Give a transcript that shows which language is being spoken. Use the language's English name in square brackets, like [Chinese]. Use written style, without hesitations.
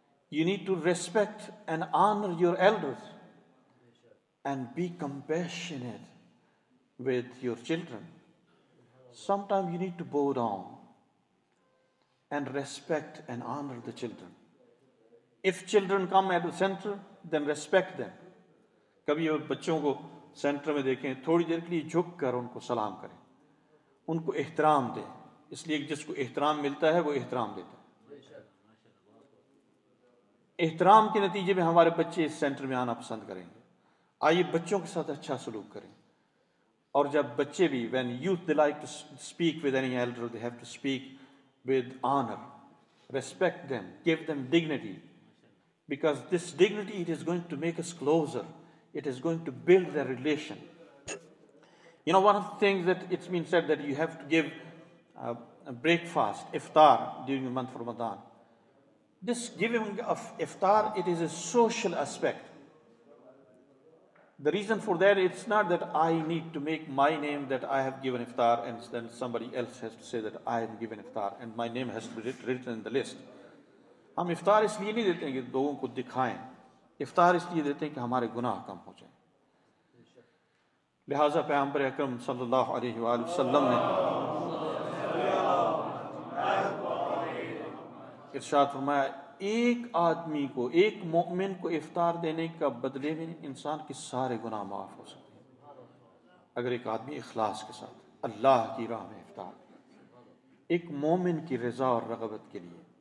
[English] You need to respect and honor your elders and be compassionate with your children. Sometimes you need to bow down and respect and honor the children. If children come at the center, then respect them. [Urdu] کبھی اگر بچوں کو centre میں دیکھیں، تھوڑی دیر کے لیے جھک کر ان کو سلام کریں، ان کو احترام دیں. اس لیے جس کو احترام ملتا ہے وہ احترام دیتا ہے. احترام کے نتیجے میں ہمارے بچے اس سینٹر میں آنا پسند کریں گے. آئیے بچوں کے ساتھ اچھا سلوک کریں. اور جب بچے بھی، [English] when youth they like to speak with any elder, they have to speak with honor. Respect them, give them dignity. Because this dignity, it is going to make us closer. It is going to build their relation. You know, one of the things that it's been said that you have to give breakfast, iftar, during the month of Ramadan. This giving of iftar, it is a social aspect. The reason for that, it's not that I need to make my name that I have given iftar and then somebody else has to say that I have given iftar and my name has to be written in the list. [Urdu] ہم افطار اس لیے نہیں دیتے ہیں کہ لوگوں کو دکھائیں، افطار اس لیے دیتے ہیں کہ ہمارے گناہ کم ہو جائیں. لہٰذا پیغمبر اکرم صلی اللہ علیہ وآلہ وسلم نے ارشاد فرمایا، ایک آدمی کو، ایک مومن کو افطار دینے کا بدلے میں انسان کے سارے گناہ معاف ہو سکتے ہیں، اگر ایک آدمی اخلاص کے ساتھ اللہ کی راہ میں افطار دے، ایک مومن کی رضا اور رغبت کے لیے.